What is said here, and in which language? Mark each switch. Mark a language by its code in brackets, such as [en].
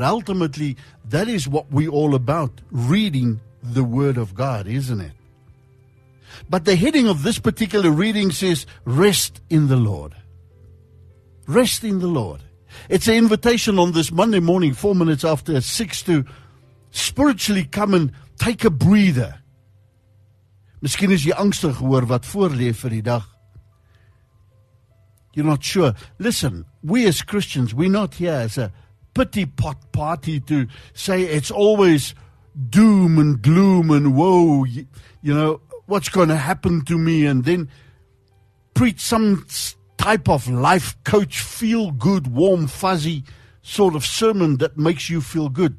[en] Ultimately, that is what we're all about, reading the Word of God, isn't it? But the heading of this particular reading says, rest in the Lord. Rest in the Lord. It's an invitation on this Monday morning, 4 minutes after six, to spiritually come and take a breather. [af] Misschien is jy angstig oor wat voorlee vir die dag. [en] You're not sure. Listen, we as Christians, we're not here as a pity pot party to say it's always doom and gloom and woe. You know, what's going to happen to me? And then preach some type of life coach, feel good, warm, fuzzy sort of sermon that makes you feel good.